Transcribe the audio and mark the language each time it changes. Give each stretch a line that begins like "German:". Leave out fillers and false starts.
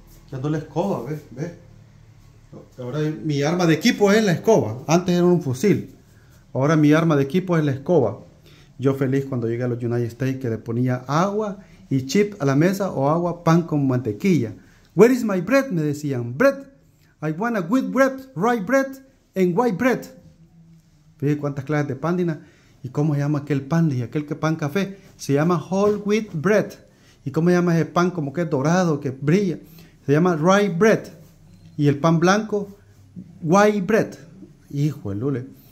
Spanish: Ya ando la escoba, ve, ve. Ahora mi arma de equipo es la escoba. Antes era un fusil. Ahora mi arma de equipo es la escoba. Yo feliz cuando llegué a los United States que le ponía agua y chip a la mesa o agua, pan con mantequilla.
English: Where is my bread?
Spanish: Me decían.
English: Bread. I want a good bread, rye bread and white bread.
Spanish: Fíjate cuántas clases de pan, Dina. ¿Y cómo se llama aquel pan? Y aquel que pan café. Se llama whole wheat bread. ¿Y cómo se llama ese pan como que es dorado, que brilla? Se llama rye bread. Y el pan blanco, white bread. Hijo de lule.